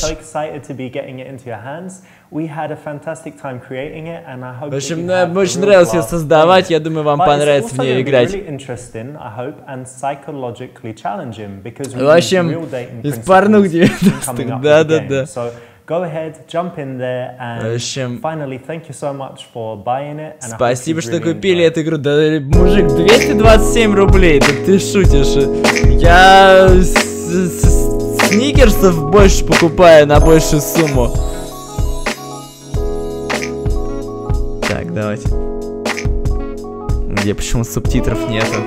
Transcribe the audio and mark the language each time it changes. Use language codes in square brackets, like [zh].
[en] I'm so excited to be getting it into your hands. We had a fantastic time creating it, and I hope. [ru] В общем, мне очень нравилось ее создавать. Я думаю, вам понравится в ней играть. [en] Really interesting, I hope, and psychologically challenging because we need real dating principles coming up in the game. So go ahead, jump in there, and finally, thank you so much for buying it. [ru] Спасибо, что купили эту игру. Да, мужик, 227 рублей. Да ты шутишь? Я сникерсов больше покупаю на большую сумму. Так, давайте. Где почему субтитров нету?